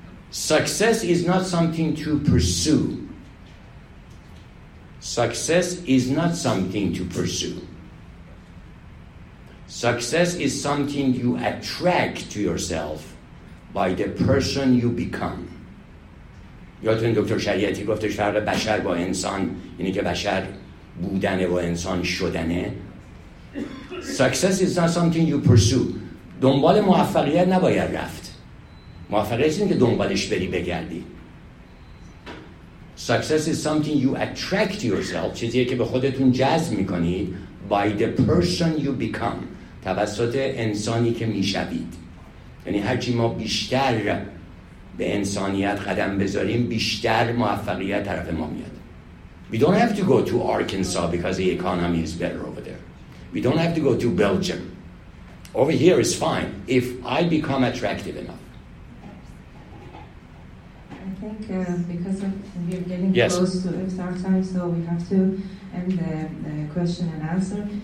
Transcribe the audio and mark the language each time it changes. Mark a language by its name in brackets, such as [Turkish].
[English] Success is not something to pursue. Success is not something to pursue. Success is something you attract to yourself by the person you become. [Persian] یادتون دکتر شریعتی گفتش فرق بشر با انسان اینه که بشر بودن و انسان شدنه. [English] Success is not something you pursue. [Persian] دنبال موفقیت نباید رفت. موفقیت اینه که دنبالش بری بگردی. [English] Success is something you attract yourself. [Persian] چیزیه که به خودتون جذب میکنید [English] by the person you become. [Persian] توسط انسانی که میشوید. یعنی هرچی ما بیشتر به انسانیت قدم بذاریم، بیشتر موفقیت طرف ما میاد. [English] We don't have to go to Arkansas because the economy is better over there. We don't have to go to Belgium. Over here is fine if I become attractive enough. I think because we're getting yes. close to iftar time, so we have to end the question and answer.